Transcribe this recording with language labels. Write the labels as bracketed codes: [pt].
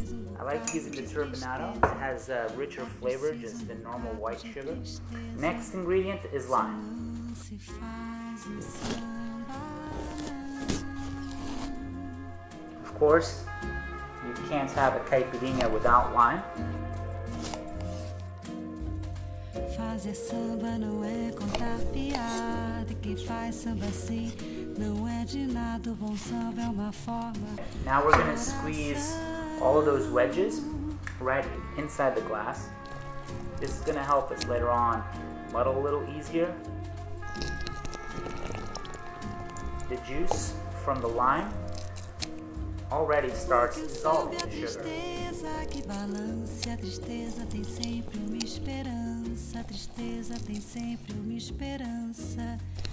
[en] I like using the turbinado. It has a richer flavor just than normal white sugar. Next ingredient is lime. Of course, you can't have a caipirinha without lime. [pt] Fazer samba não é contar piada, que faz samba assim. [en] Now we're going to squeeze all of those wedges right inside the glass. This is going to help us later on muddle a little easier. The juice from the lime already starts dissolving the sugar.